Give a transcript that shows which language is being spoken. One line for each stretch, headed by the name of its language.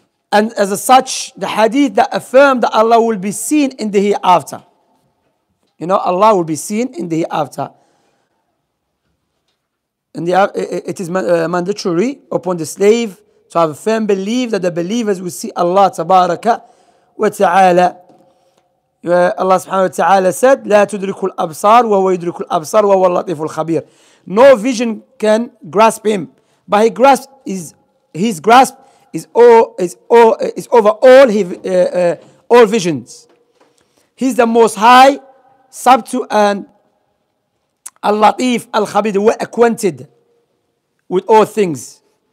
English: And as such, the hadith that affirmed that Allah will be seen in the hereafter. You know, Allah will be seen in the hereafter. In the, it is mandatory upon the slave to have a firm belief that the believers will see Allah tabaraka wa ta'ala. Allah subhanahu wa ta'ala said,
Arabic: لا تدرك الأبصار وهو يدرك الأبصار وهو اللطيف الخبير.
English: No vision can grasp him. But he grasp is his grasp is all is over all his all visions. He's the most high, subtle, and al-latif al-khabir, well acquainted with all things.